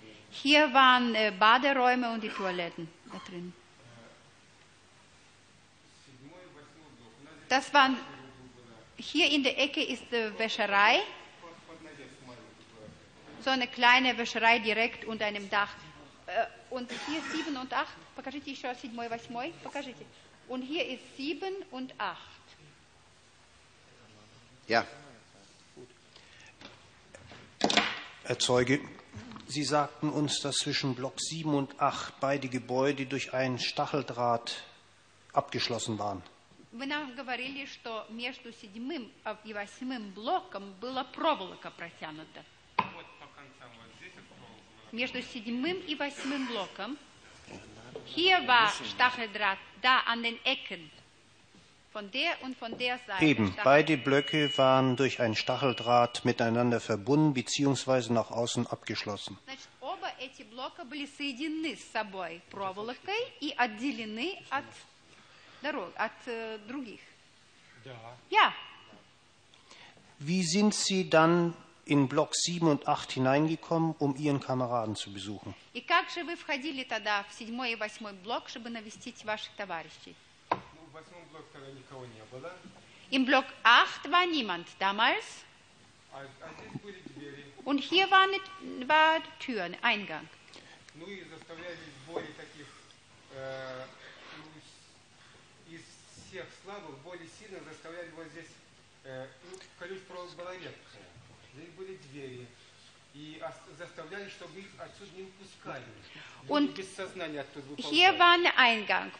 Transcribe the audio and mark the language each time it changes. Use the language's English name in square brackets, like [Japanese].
[German] Hier waren Baderäume und die Toiletten da drin. Das waren, hier in der Ecke ist die Wäscherei. So eine kleine Wäscherei direkt unter einem Dach. Und hier 7 und 8, [Russian] покажите еще раз 7, 8, покажите. [German] Und hier ist 7 und 8. Ja. Herr Zeuge, Sie sagten uns, dass zwischen Block 7 und 8 beide Gebäude durch einen Stacheldraht abgeschlossen waren. [Russian] Вы нам говорили, что между 7 и 8 блоком была проволока протянута. Между седьмым и восьмым блоком. [German] Hier war Stacheldraht, da an den Ecken. Von der und von der Seite. Eben, beide Blöcke waren durch einen Stacheldraht miteinander verbunden, beziehungsweise nach außen abgeschlossen. [Russian] Значит, оба эти блока были соединены с собой проволокой и отделены от дорог, от других. Да. [German] Ja. Wie sind Sie dann in Block 7 und 8 hineingekommen, um Ihren Kameraden zu besuchen? [Russian] И как же вы входили тогда в седьмой и восьмой блок, чтобы навестить ваших товарищей? Ну, в восьмом блоке никого не было. [German] Im Block 8 war niemand damals. Und hier war eine Tür, ein Eingang. Und hier war ein Eingang.